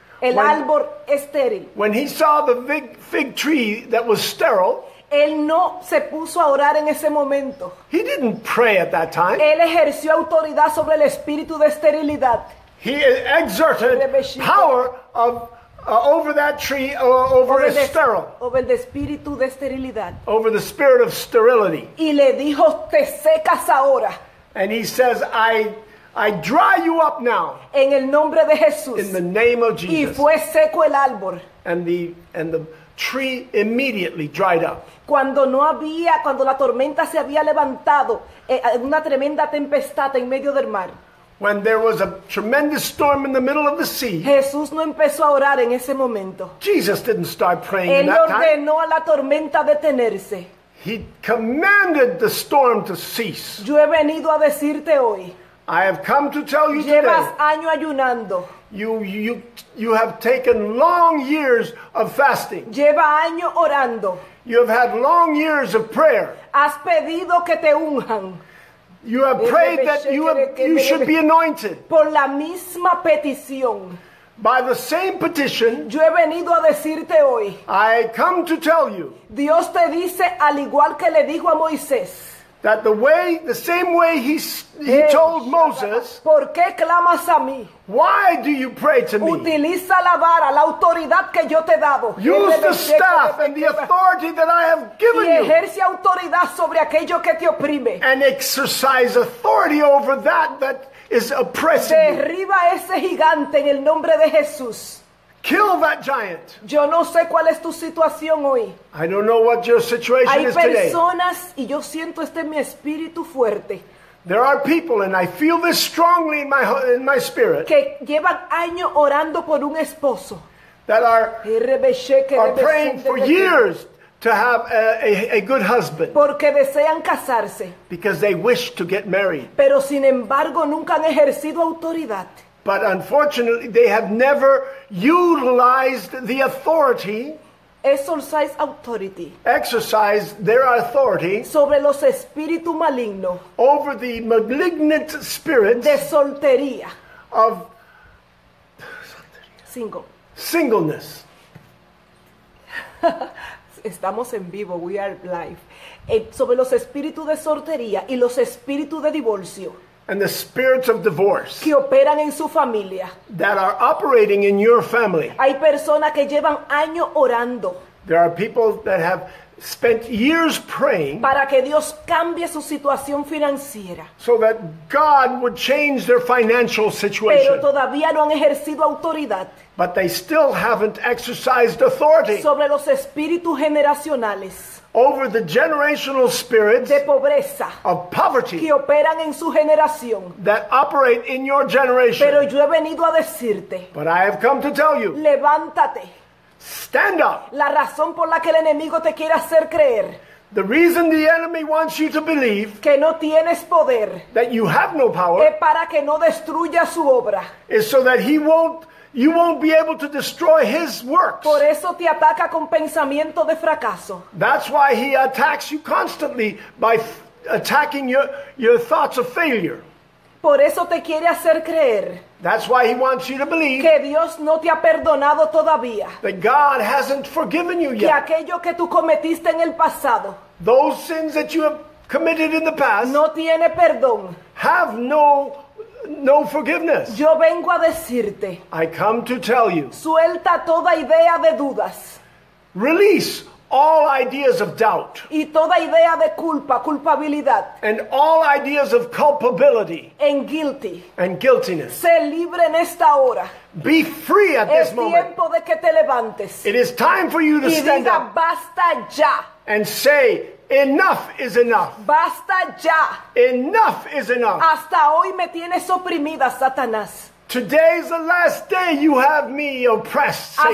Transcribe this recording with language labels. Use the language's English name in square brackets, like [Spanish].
[Spanish] El árbol estéril. [English] When he saw the fig tree that was sterile. [Spanish] Él no se puso a orar en ese momento. [English] He didn't pray at that time. [Spanish] Él ejerció autoridad sobre el espíritu de esterilidad. [English] He exerted power of over that tree, over [Spanish] el [English] sterile. Over [Spanish] el espíritu de esterilidad. [English] Over the spirit of sterility. [Spanish] Y le dijo, te secas ahora. [English] And he says, I dry you up now. [Spanish] En el nombre de Jesús. [English] In the name of Jesus. [Spanish] Y fue seco el árbol. [English] And the tree immediately dried up. [Spanish] Cuando no había, cuando la tormenta se había levantado, una tremenda tempestad en medio del mar. [English] When there was a tremendous storm in the middle of the sea. [Spanish] Jesús no empezó a orar en ese momento. [English] Jesus didn't start praying [Spanish] Él [English] in that time. [Spanish] Él ordenó a la tormenta detenerse. [English] He commanded the storm to cease. [Spanish] Yo he venido a decirte hoy. [English] I have come to tell you [Spanish] Llevas [English] today. [Spanish] Año ayunando. [English] You have taken long years of fasting. [Spanish] Lleva año orando. [English] You have had long years of prayer. [Spanish] Has pedido que te unjan. [English] You have prayed that you should be anointed. [Spanish] Por la misma petición. [English] By the same petition. [Spanish] Yo he venido a decirte hoy. [English] I come to tell you. [Spanish] Dios te dice al igual que le dijo a Moisés. [English] That the way, the same way he told Moses, [Spanish] ¿por qué clamas a mí? [English] Why do you pray to me? [Spanish] Utiliza la vara, la autoridad que yo te he dado. [English] Use the staff and the authority that I have given you. [Spanish] Y ejerce autoridad sobre aquello que te oprime. [English] And exercise authority over that is oppressing you. [Spanish] Derriba ese gigante en el nombre de Jesús. [English] Kill that giant. [Spanish] Yo no sé cuál es tu situación hoy. [English] I don't know what your situation is today. [Spanish] Hay personas, y yo siento este en mi espíritu fuerte. [English] There are people, and I feel this strongly in my spirit. [Spanish] Que llevan años orando por un esposo. [English] That are praying for years to have a good husband. [Spanish] Porque desean casarse. [English] Because they wish to get married. [Spanish] Pero sin embargo nunca han ejercido autoridad. [English] But unfortunately, they have never utilized the authority. Exercise authority. Exercise their authority. [Spanish] Sobre los espíritus malignos. [English] Over the malignant spirits. [Spanish] De soltería. [English] Of single. Singleness. [Spanish] Estamos en vivo. [English] We are live. [Spanish] Sobre los espíritus de soltería y los espíritus de divorcio. [English] And the spirits of divorce [Spanish] que operan en su familia. [English] That are operating in your family. [Spanish] Hay personas que llevan años orando. [English] There are people that have spent years praying [Spanish] para que Dios cambie su situación financiera. [English] So that God would change their financial situation. [Spanish] Pero todavía no han ejercido autoridad. [English] But they still haven't exercised authority [Spanish] sobre los espíritus generacionales. [English] Over the generational spirits [Spanish] de pobreza, [English] of poverty [Spanish] que operan en su generación, [English] that operate in your generation. [Spanish] Pero yo he venido a decirte, [English] but I have come to tell you, [Spanish] levántate, [English] stand up. [Spanish] La razón por la que el enemigo te quiere hacer creer, [English] the reason the enemy wants you to believe [Spanish] que no tienes poder, [English] that you have no power, [Spanish] es para que no destruya su obra, [English] is so that he won't. You won't be able to destroy his works. [Spanish] Por eso te ataca con pensamiento de fracaso. [English] That's why he attacks you constantly by attacking your thoughts of failure. [Spanish] Por eso te quiere hacer creer. [English] That's why he wants you to believe [Spanish] que Dios no te ha perdonado todavía. [English] That God hasn't forgiven you yet. [Spanish] Que aquello que tú cometiste en el pasado. [English] Those sins that you have committed in the past. [Spanish] No tiene perdón. [English] Have no forgiveness. [Spanish] Yo vengo a decirte, [English] I come to tell you, [Spanish] suelta toda idea de dudas, [English] release all ideas of doubt, [Spanish] y toda idea de culpa, culpabilidad, [English] and all ideas of culpability, and guilty, and guiltiness. [Spanish] Sé libre en esta hora. [English] Be free at [Spanish] es [English] this moment. [Spanish] Es tiempo de que te levantes. [English] It is time for you to [Spanish] y [English] stand [Spanish] diga, [English] up. [Spanish] Basta ya. [English] And say, enough is enough. [Spanish] Basta ya. [English] Enough is enough. [Spanish] Hasta hoy me tienes oprimida, Satanás. [English] Today is the last day you have me oppressed, Satan.